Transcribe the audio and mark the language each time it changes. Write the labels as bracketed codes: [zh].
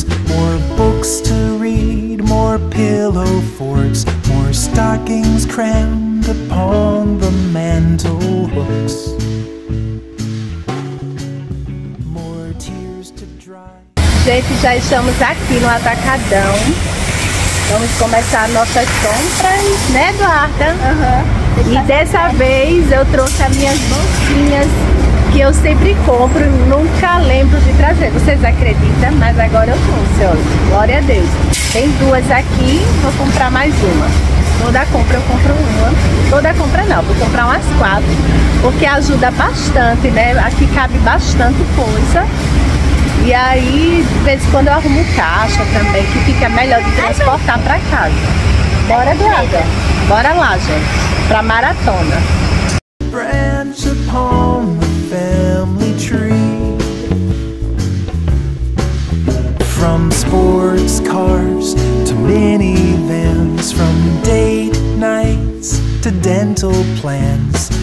[en] More books to read, more pillow forts, more stockings crammed upon the mantel hooks. More tears to dry. [pt] Gente, já estamos aqui no atacadão. Vamos começar nossas compras, né, Eduarda? Uhum. E dessa vez eu trouxe as minhas bolsinhas, que eu sempre compro e nunca lembro de trazer. Vocês acreditam? Mas agora eu trouxe, ó. Glória a Deus. Tem duas aqui, vou comprar mais uma. Toda compra eu compro uma. Toda compra não, vou comprar umas quatro. Porque ajuda bastante, né? Aqui cabe bastante coisa. E aí, de vez em quando eu arrumo caixa também, que fica melhor de transportar pra casa. Bora, Eduarda. Bora lá, gente. Pra maratona. [en] Branch upon the family tree. From sports cars to minivans, from date nights to dental plans.